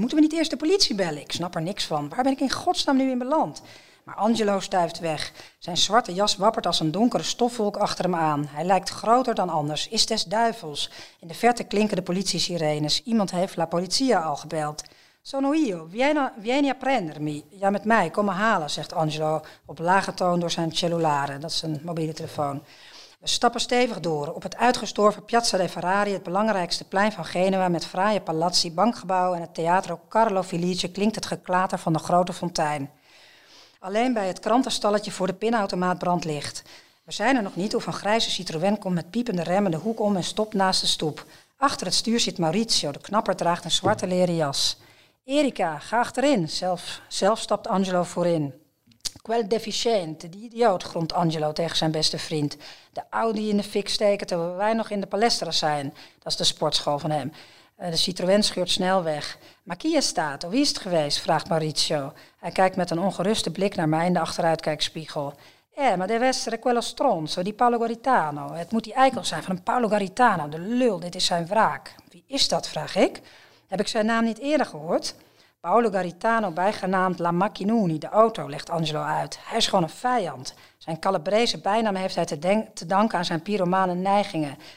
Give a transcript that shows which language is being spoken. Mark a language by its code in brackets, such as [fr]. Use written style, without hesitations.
[nl] Moeten we niet eerst de politie bellen? Ik snap er niks van. Waar ben ik in godsnaam nu in beland? Maar Angelo stuift weg. Zijn zwarte jas wappert als een donkere stofwolk achter hem aan. Hij lijkt groter dan anders. Is des duivels. In de verte klinken de politie-sirenes. Iemand heeft [it] la polizia [nl] al gebeld. [it] Sono io, vieni a prendermi. [nl] Ja, met mij, kom me halen, zegt Angelo op lage toon door zijn cellulare. Dat is een mobiele telefoon. We stappen stevig door. Op het uitgestorven Piazza dei Ferrari, het belangrijkste plein van Genua, met fraaie palazzi, bankgebouwen en het Teatro Carlo Felice, klinkt het geklater van de grote fontein. Alleen bij het krantenstalletje voor de pinautomaat brandt licht. We zijn er nog niet of een grijze Citroën komt met piepende remmen de hoek om en stopt naast de stoep. Achter het stuur zit Maurizio, de knapper draagt een zwarte leren jas. Erika, ga achterin. Zelf stapt Angelo voorin. [it] Quel deficient, [nl] die idioot, grondt Angelo tegen zijn beste vriend. De Audi in de fik steken terwijl wij nog in de palestra zijn. Dat is de sportschool van hem. De Citroën scheurt snel weg. Maar [it] chi è stato? [nl] Wie is het geweest? Vraagt Maurizio. Hij kijkt met een ongeruste blik naar mij in de achteruitkijkspiegel. Maar [it] deve essere quello stronzo, di Paolo Garitano. [nl] Het moet die eikel zijn van een Paolo Garitano. De lul, dit is zijn wraak. Wie is dat, vraag ik. Heb ik zijn naam niet eerder gehoord? Paolo Garitano, bijgenaamd La Macchinoni, de auto, legt Angelo uit. Hij is gewoon een vijand. Zijn Calabrese bijnaam heeft hij te danken aan zijn pyromane neigingen.